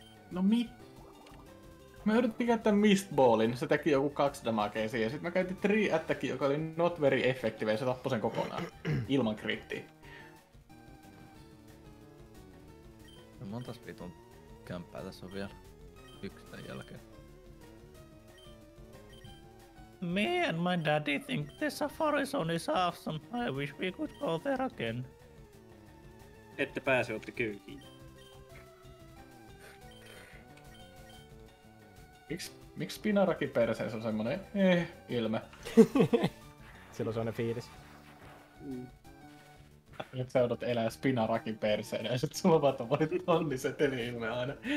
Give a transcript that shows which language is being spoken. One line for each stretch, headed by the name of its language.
Finnish: No mit? Mä yritin käyttää Mistballin, se teki joku 2 damagea siihen, ja sit mä käytin 3-attackin, joka oli
English: not very effective,
Finnish: ja se tappoi sen kokonaan, ilman krittiä. No montas vitun kämppää tässä on vielä, yksi tämän jälkeen.
English: Me and my daddy think the safari zone is awesome, I wish we could go there again.
Finnish: Ette pääse, ootte kyykiin. Miksi Pinarakin perseessä on semmonen ilme? Sillä on semmonen fiilis. Nyt sä odot elää Spinarakin perseenä ja sit sulla vaan tommonen tonniseteli ilme aina.